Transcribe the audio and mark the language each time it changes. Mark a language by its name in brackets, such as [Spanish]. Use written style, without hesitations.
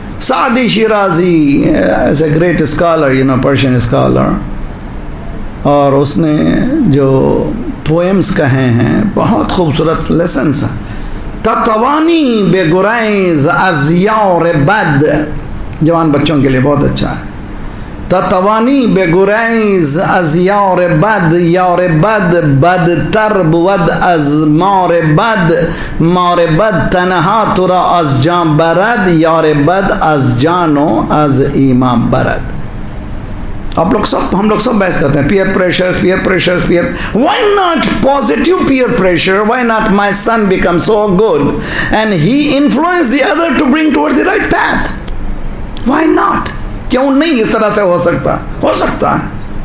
[Urdu] Saadi Shirazi [English] is a great scholar, you know Persian scholar, [Urdu] اور اس نے جو پوئمس کہے ہیں بہت خوبصورت لیسنس ہیں. [Persian] تتوانی بے گریز از یار بد. [Urdu] جوان بچوں کے لیے بہت اچھا ہے. [Persian] تتوانی بے گریز از یار بد، یار بد بدتر بود از مار بد، مار بد تنها تو را از جان برد، یار بد از جان و از ایمان برد. [Urdu] آپ لوگ سب، ہم لوگ سب بحث کرتے ہیں [English] Peer pressure, peer pressure, peer, why not positive peer pressure? Why not my son become so good and he influence the other to bring toward the right path? Why not? [Urdu] کیوں نہیں اس طرح سے ہو سکتا؟ ہو سکتا ہے.